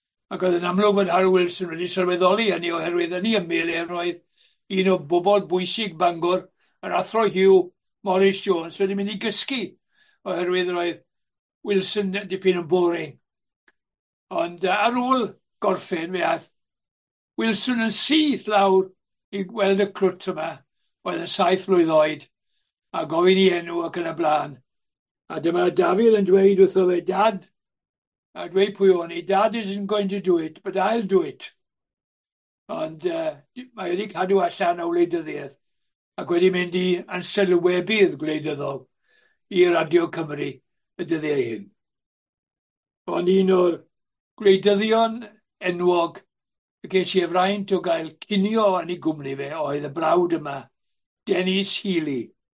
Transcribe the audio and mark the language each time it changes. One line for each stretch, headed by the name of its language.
Welsh: Ac oedd yn amlwg fod Harold Wilson wedi sylweddoli hynny oherwydd yn ei ymwyl e roedd un o bobl bwysig Bangor, yr athro Hugh Morris Jones wedi mynd i gysgu oherwydd roedd Wilson dipyn yn boring. Ond ar ôl gorffen, fe aeth Wilson yn syth lawr i gweld y crwt yma, oedd yn saith mlwydd oed, a gofyn i enw ac yn y blaen. A dyma Dafydd yn dweud wrtho fe, Dad, a dweud pwy o'n i,
English: Dad isn't going to do it, but I'll do it.
Welsh: Ond mae wedi cadw allan o wleidyddiaeth, ac wedi mynd i ansylwebydd gwleidyddol i Radio Cymru y dyddiau hyn. Ond un o'r gwleidyddion enwog, y ges i efraint o gael cinio yn ei gwmni fe oedd y brawd yma, Dennis Healy.